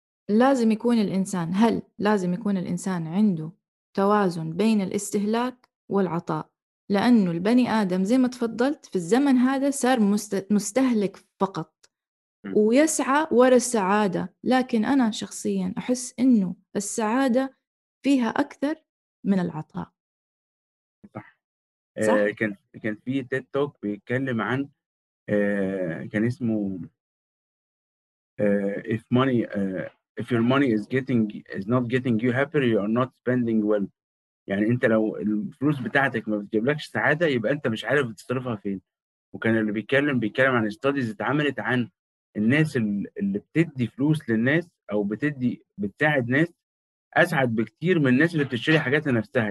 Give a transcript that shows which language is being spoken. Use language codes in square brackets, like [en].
[ar] لازم يكون الإنسان، هل لازم يكون الإنسان عنده توازن بين الاستهلاك والعطاء؟ لأنه البني آدم زي ما تفضلت في الزمن هذا صار مستهلك فقط ويسعى وراء السعادة، لكن أنا شخصيا أحس أنه السعادة فيها أكثر من العطاء. صح. صح؟ كان في تيد توك بيتكلم عن كان اسمه [en] if money if your money is getting is not getting you happy you are not spending well. [ar] يعني انت لو الفلوس بتاعتك ما بتجيبلكش سعاده يبقى انت مش عارف تصرفها فين. وكان اللي بيتكلم عن ستاديز اتعملت عن الناس اللي بتدي فلوس للناس او بتساعد ناس اسعد بكتير من الناس اللي بتشتري حاجات لنفسها.